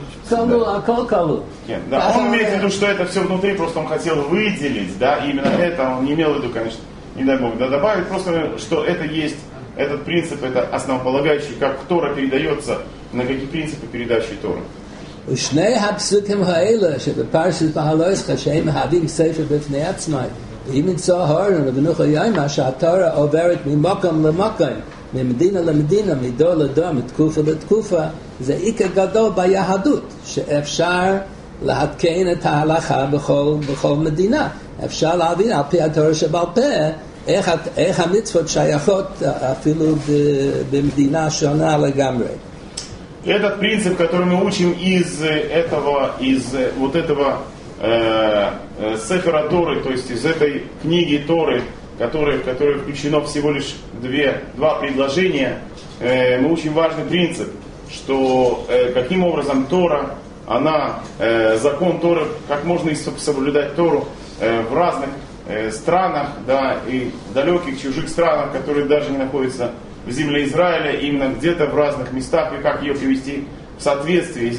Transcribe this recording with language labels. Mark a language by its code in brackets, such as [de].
[ru] Да, он имеет в виду, что это все внутри, просто он хотел выделить, да, именно это, он не имел в виду, конечно, не дай Бог, да, добавить, просто, что это есть, этот принцип, это основополагающий, как Тора передается, на какие принципы передачи Торы. [he] ושני הפסוקים האלה שבפרשת בהלוסחה שהם מהווים ספר בפני עצמי ואם נמצא הורן ובנוכה יימה שהתורה עוברת ממקום למקום ממדינה למדינה, מדור לדור, מתקופה לתקופה זה עיקר גדול ביהדות שאפשר להתקין את ההלכה בכל מדינה אפשר להבין על פי התורה שבעל פה איך המצוות שייכות אפילו במדינה שונה לגמרי [ru] Этот принцип, который мы учим из Сефера Торы, то есть из этой книги Торы, в которой включено всего лишь два предложения, мы учим важный принцип, что каким образом Тора, она, закон Торы, как можно соблюдать Тору в разных странах, да, и далеких чужих странах, которые даже не находятся в земле Израиля, именно где-то в разных местах, и как ее привести в соответствие.